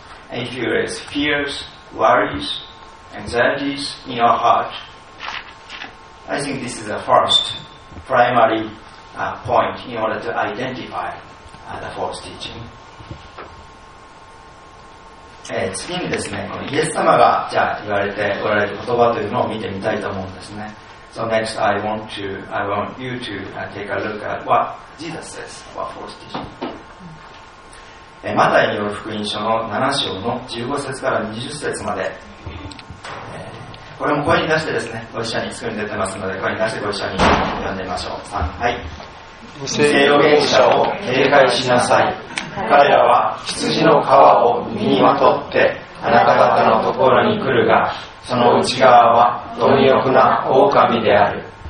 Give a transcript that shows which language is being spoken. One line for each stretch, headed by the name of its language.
English: And if you raise fears, worries, anxieties in your heart, I think this is the first primary point in order to identify the false teaching.
Japanese: 次にですね、このイエス様がじゃあ言われておられる言葉というのを見てみたいと思うんですね。
English: So next, I want you to take a look at what Jesus says about false teaching.
Japanese: マタイによる福音書の7章の15節から20節まで、これも声に出してですね、ご一緒に、スクリーンに出てますので、声に出してご一緒に読んでみましょう。 3、はい。偽預言者を警戒しなさい。彼らは羊の皮を身にまとってあなた方のところに来るが、その内側は貪欲な狼である。